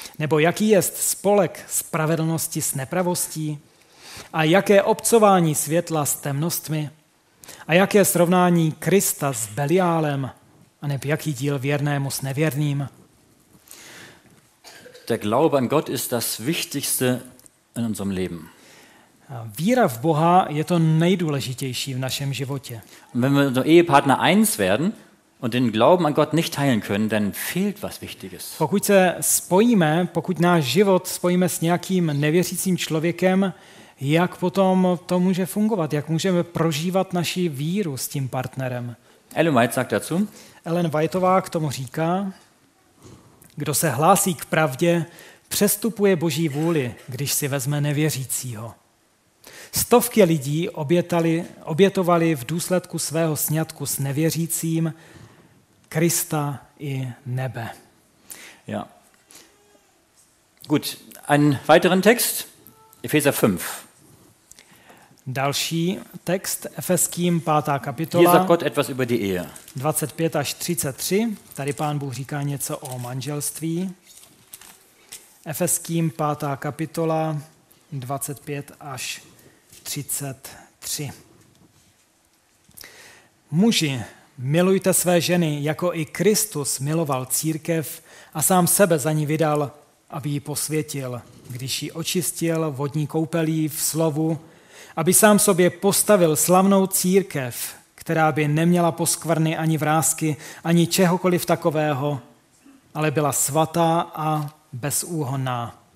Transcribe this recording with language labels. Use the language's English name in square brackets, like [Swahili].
[Czech] Nebo jaký jest spolek spravedlnosti s nepravostí? A jaké obcování světla s temnostmi? A jaké srovnání Krista s Beliálem? A nebo jaký díl věrnému s nevěrným? [German] Der Glaube an Gott ist das Wichtigste in unserem Leben. [Czech] Víra v Boha je to nejdůležitější v našem životě. [German] Und wenn wir unser Ehepartner eins werden, und den Glauben an Gott nicht teilen können, dann fehlt was Wichtiges. [Czech] Pokud se spojíme, pokud náš život spojíme s nějakým nevěřícím člověkem, jak potom to může fungovat? Jak můžeme prožívat naši víru s tím partnerem? [German] Ellen White sagt dazu. [Czech] Ellen Whiteová k tomu říká, kdo se hlásí k pravdě, přestupuje Boží vůli, když si vezme nevěřícího. Stovky lidí obětovali v důsledku svého sňatku s nevěřícím Krista i nebe. [German] Ja. Gut, einen weiteren Text, Epheser 5. [Czech] Další text, Efeským 5. kapitola. [German] Hier sagt Gott etwas über die Ehe. [Czech] 25 až 33, tady Pán Bůh říká něco o manželství. Efeským 5. kapitola 25 až 33. Muži, milujte své ženy, jako i Kristus miloval církev a sám sebe za ní vydal, aby ji posvětil, když ji očistil vodní koupelí v slovu, aby sám sobě postavil slavnou církev, která by neměla poskvrny ani vrásky, ani čehokoliv takového, ale byla svatá a bezúhonná.